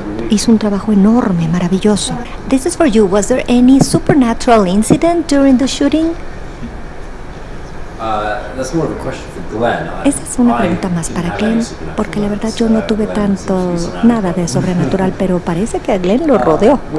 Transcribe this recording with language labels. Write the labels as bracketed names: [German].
[Spanish] Hizo un trabajo enorme, maravilloso. [English] This is for you. Was there any supernatural incident during the shooting? That's more of a question for Glenn. [Spanish] Esa es una pregunta más para Glenn, porque la verdad yo no tuve tanto nada de sobrenatural, pero parece que a Glenn lo rodeó.